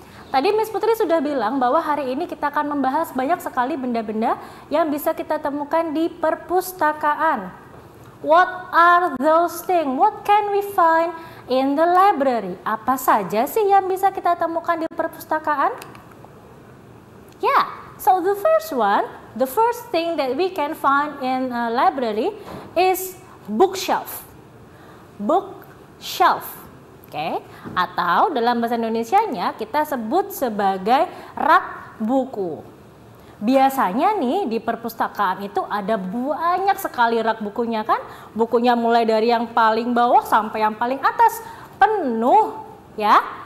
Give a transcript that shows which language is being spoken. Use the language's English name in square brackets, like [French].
[Indonesian] Tadi Miss Putri sudah bilang bahwa hari ini kita akan membahas banyak sekali benda-benda yang bisa kita temukan di perpustakaan. [English] What are those things? What can we find in the library? [Indonesian] Apa saja sih yang bisa kita temukan di perpustakaan? Yeah. [English] So the first one, the first thing that we can find in a library is bookshelf. Bookshelf, okay? [Indonesian] Atau dalam bahasa Indonesianya kita sebut sebagai rak buku. Biasanya nih di perpustakaan itu ada banyak sekali rak bukunya kan? Bukunya mulai dari yang paling bawah sampai yang paling atas penuh, ya?